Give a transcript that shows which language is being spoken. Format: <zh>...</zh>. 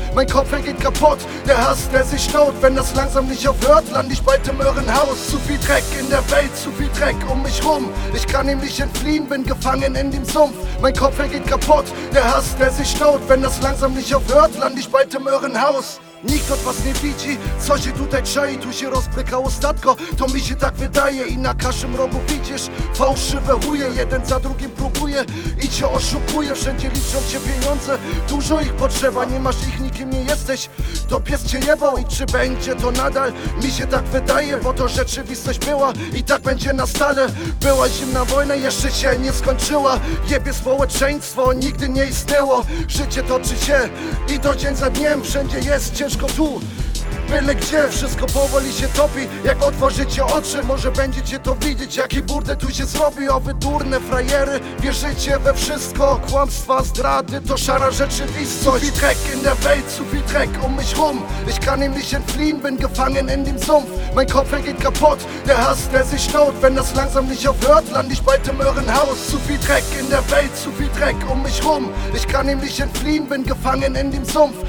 <de>Mein Kopf, er geht kaputt, der Hass, der sich staut. Wenn das langsam nicht aufhört, lande ich bald im Irrenhaus. Zu viel Dreck in der Welt, zu viel Dreck um mich rum. Ich kann ihm nicht entfliehen, bin gefangen in dem Sumpf. Mein Kopf, er geht kaputt, der Hass, der sich staut. Wenn das langsam nicht aufhört, lande ich bald im Irrenhaus.</de> <pl>Nikto od was nie widzi, co się tutaj czai. Tu się rozprykało statko, to mi się tak wydaje. I na każdym rogu widzisz fałszywe chuje. Jeden za drugim próbuje i cię oszukuje. Wszędzie liczą cię pieniądze, dużo ich potrzeba. Nie masz ich, nikim nie jesteś, to pies cię jebał. I czy będzie to nadal? Mi się tak wydaje, bo to rzeczywistość była i tak będzie na stale. Była zimna wojna, jeszcze się nie skończyła. Jebie społeczeństwo, nigdy nie istniało. Życie toczy się i to dzień za dniem, wszędzie jest ciężko tu, byle gdzie. Wszystko powoli się topi, jak otworzycie oczy, może będziecie to widzieć, jaki burdel tu się zrobi. O wy durne frajery, wierzycie we wszystko. Kłamstwa, zdrady, to szara rzeczywistość.</pl> <de>Zu viel Dreck in der Welt, zu viel Dreck um mich rum. Ich kann ihm nicht entfliehen, bin gefangen in dem Sumpf. Mein Kopf, er geht kaputt, der Hass, der sich staut. Wenn das langsam nicht aufhört, lande ich bald im Irrenhaus. Zu viel Dreck in der Welt, zu viel Dreck um mich rum. Ich kann ihm nicht entfliehen, bin gefangen in dem Sumpf.</de>